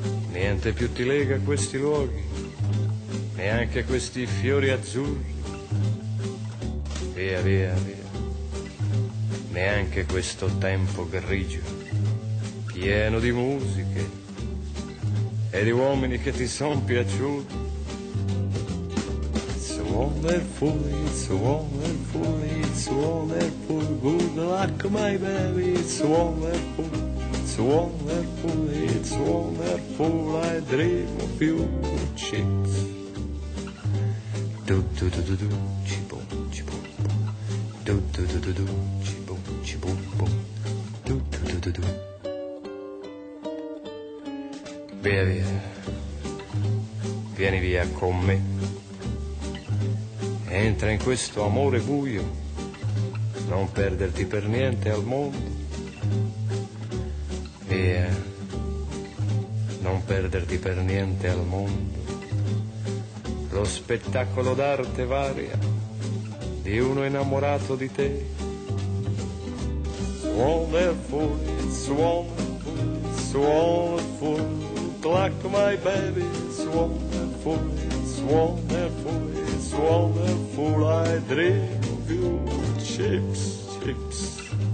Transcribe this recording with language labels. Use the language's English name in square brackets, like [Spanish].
[Italian] Niente più ti lega a questi luoghi, neanche questi fiori azzurri. Via, via, via, neanche questo tempo grigio, pieno di musiche e di uomini che ti son piaciuti. [English] It's wonderful, it's wonderful, it's wonderful, good luck my baby, it's wonderful. It's wonderful, it's wonderful, I dream of you, chips. Do-do-do-do-do, chi-boom, chi-boom, boom. Do-do-do-do-do, chi-boom, chi-boom, boom. Do-do-do-do-do. [Italian] Via, via, vieni via con me. Entra in questo amore buio, non perderti per niente al mondo. Via, non perderti per niente al mondo, lo spettacolo d'arte varia di uno innamorato di te. [English] Wonderful, it's wonderful, it's wonderful, good luck my baby, it's wonderful, it's wonderful, it's wonderful, I dream of you, chips, chips.